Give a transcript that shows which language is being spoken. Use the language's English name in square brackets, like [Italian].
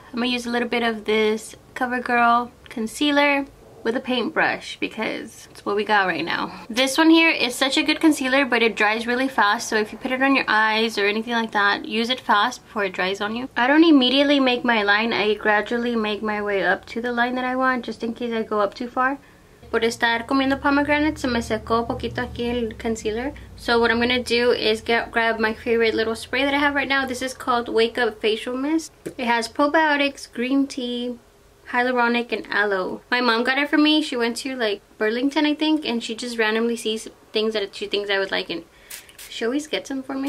[English] I'm gonna use a little bit of this CoverGirl concealer with a paintbrush because it's what we got right now. This one here is such a good concealer, but it dries really fast. So if you put it on your eyes or anything like that, use it fast before it dries on you. I don't immediately make my line. I gradually make my way up to the line that I want just in case I go up too far. [Spanish] Por estar comiendo pomegranate, se me secó poquito aquí el concealer. [English] So what I'm gonna do is grab my favorite little spray that I have right now. This is called Wake Up Facial Mist. It has probiotics, green tea, hyaluronic, and aloe. My mom got it for me. She went to like Burlington, I think, and she just randomly sees things that she thinks I would like, and she always gets them for me.